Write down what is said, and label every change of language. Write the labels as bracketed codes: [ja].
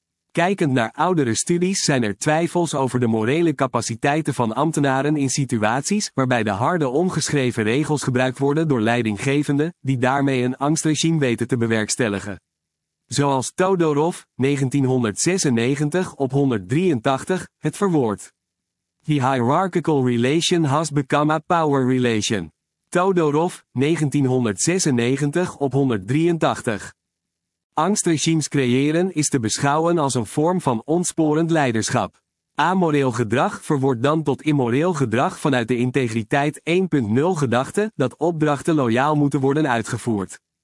[nl] Kijkend naar oudere studies zijn er twijfels over de morele capaciteiten van ambtenaren in situaties waarbij de harde ongeschreven regels gebruikt worden door leidinggevenden die daarmee een angstregime weten te bewerkstelligen. Zoals Todorov, 1996 op 183, het verwoord. [en] The hierarchical relation has become a power relation. [nl] Todorov, 1996 op 183. Angstregimes creëren is te beschouwen als een vorm van ontsporend leiderschap. Amoreel gedrag verwoordt dan tot immoreel gedrag vanuit de integriteit 1.0 gedachte dat opdrachten loyaal moeten worden uitgevoerd.